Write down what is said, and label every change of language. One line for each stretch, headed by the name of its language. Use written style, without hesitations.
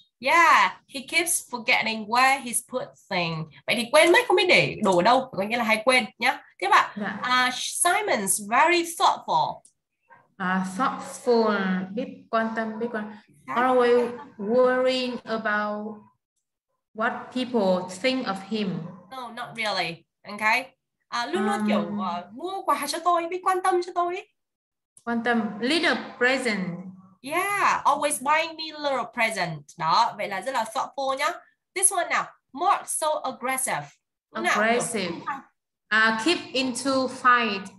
English: Yeah, he keeps forgetting where he's put things.
Vietnamese: Vậy thì quên mất không biết để đồ ở đâu, có nghĩa là hay quên nhá. Thế bạn, yeah.
English: Simon's very thoughtful.
Vietnamese: Thoughtful, biết quan tâm.
English: Always worrying about what people think of him. No, not really. Okay.
Vietnamese: Luôn kiểu mua quà cho tôi, biết quan tâm cho tôi. Quan tâm,
English: little present. Yeah, always buying me little present.
Vietnamese: Đó, vậy là rất là thoughtful nhá.
English: This one now, Mark so aggressive. Aggressive. Keep into fight.